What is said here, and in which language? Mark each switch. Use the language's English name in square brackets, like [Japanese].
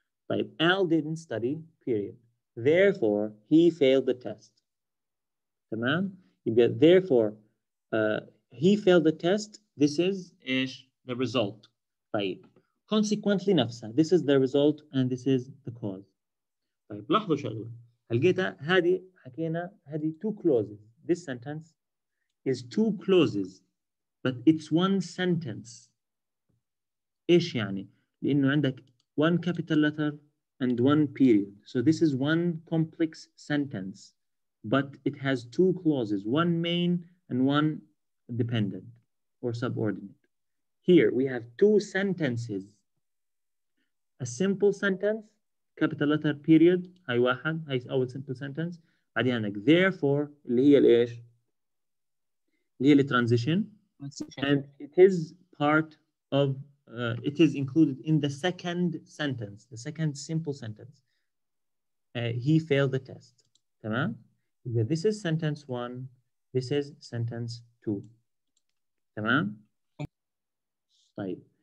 [English] طيب Al didn't study, period. Therefore, he failed the test. تمام؟ يبقى therefore, he failed the test. This is the result. طيب. Consequently نفسها. This is the result and this is the cause. [Arabic] طيب لاحظوا شغلة. هلقيتها هذه حكينا هذه [English] two clauses. This sentence is two clauses. But it's one sentence. [Arabic] إيش يعني؟ لأنه عندك [English] one capital letter and one period. So this is one complex sentence, but it has two clauses, one main and one dependent or subordinate. Here we have two sentences. A simple sentence, capital letter period, [Arabic] هاي واحد, هاي أول [English] simple sentence. [Arabic] بعدين عندك therefore, اللي هي الإيش؟ اللي هي الـ transition. [English] And it is part of it is included in the second sentence, the second simple sentence. He failed the test. تمام؟ This is sentence one. This is sentence two. تمام؟ طيب.